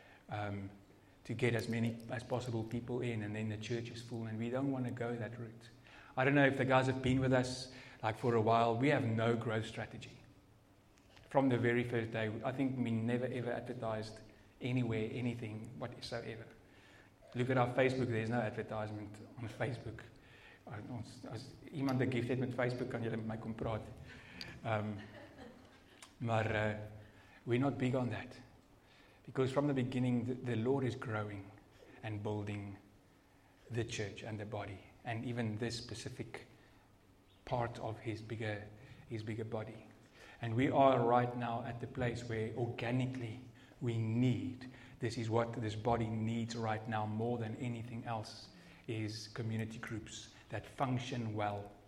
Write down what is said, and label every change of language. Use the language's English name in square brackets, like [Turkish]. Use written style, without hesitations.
[English] To get as many as possible people in, and then the church is full, and we don't want to go that route. I don't know if the guys have been with us like for a while, we have no growth strategy. From the very first day, I think we never ever advertised anywhere, anything whatsoever. Look at our Facebook, there's no advertisement on Facebook. [Afrikaans] As iemand die gift het met Facebook, kan julle met my kom praat. [English] We're not big on that. Because from the beginning, the Lord is growing and building the church and the body. And even this specific part of his bigger body. And we are right now at the place where organically we need, this is what this body needs right now more than anything else, is community groups that function well.